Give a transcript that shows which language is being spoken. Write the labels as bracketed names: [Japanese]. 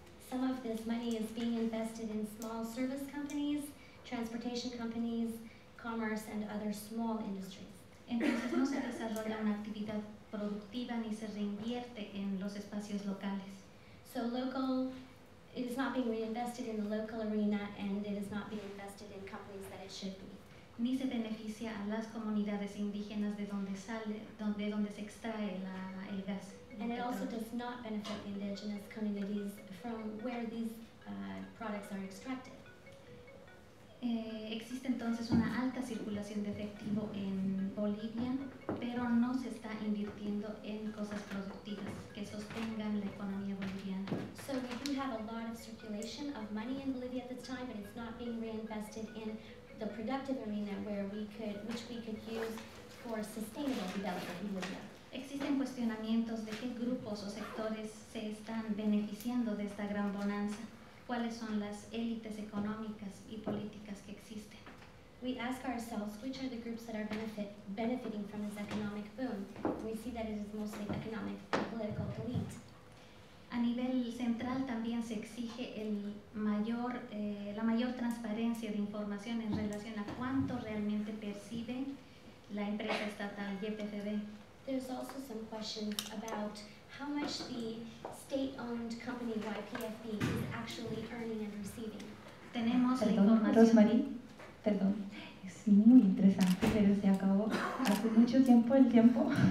[English] Some of this money is being invested in small service companies, transportation companies, commerce, and other small industries. [Spanish] Entonces no se desarrolla una actividad productiva ni se reinvierte en los espacios locales. [English] So local, it is not being reinvested in the local arena and it is not being invested in companies that it should be. [Spanish] Ni se beneficia a las comunidades indígenas de donde sale, de donde se extrae la, el gas. [English] And it also does not benefit the indigenous communities from where these products are extracted. [Spanish] Existe entonces una alta circulación de efectivo en Bolivia, pero no se está invirtiendo en cosas productivas que sostengan la economía boliviana. [English] So we do have a lot of circulation of money in Bolivia at this time, but it's not being reinvested in the productive arena where we could, which we could use for sustainable development in Bolivia. [Spanish] Existen cuestionamientos de qué grupos o sectores se están beneficiando de esta gran bonanza. ¿Cuáles son las élites económicas y políticas que existen? [English] We ask ourselves which are the groups that are benefiting from this economic boom. We see that it is mostly economic and political elite. [Spanish] A nivel central también se exige la mayor transparencia de información en relación a cuánto realmente percibe la empresa estatal YPFB. [English] There's also some questions about how much the state-owned company YPFB is actually earning and receiving. [Spanish] Tenemos la información. Rosemary, perdón, es muy interesante, pero se acabó hace mucho tiempo el tiempo.